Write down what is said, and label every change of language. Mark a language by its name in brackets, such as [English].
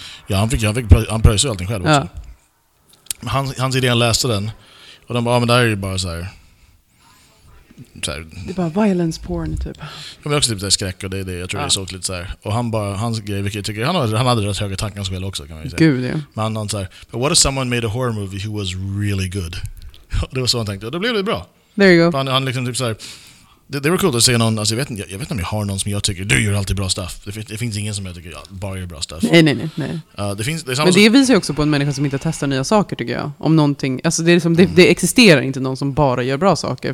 [Swedish] Ja, han pröjsade allting själv också. Ja. Hans idén läste den. Och de bara, men det här är ju bara så här, så här. Det är bara [English] violence porn [Swedish] typ. Ja, men också typ det skräck och det jag tror det är såg lite så här. Och han bara, hans grej, vilket jag tycker, han hade rätt höga tankar själv också kan man ju säga. Gud, ja. Men han så här, [English] but what if someone made a horror movie who was really good? [Swedish] Det var så han tänkte, och då blev det bra. [English] There you go. [Swedish] Han liksom typ så här. Det var coolt att se någon, alltså jag vet inte om jag har någon som jag tycker, du gör alltid bra stuff. Det finns ingen som jag tycker bara gör bra stuff. Nej. Det finns, men det visar ju också på en människa som inte testar nya saker tycker jag. Om någonting, alltså det är liksom, det existerar inte någon som bara gör bra saker.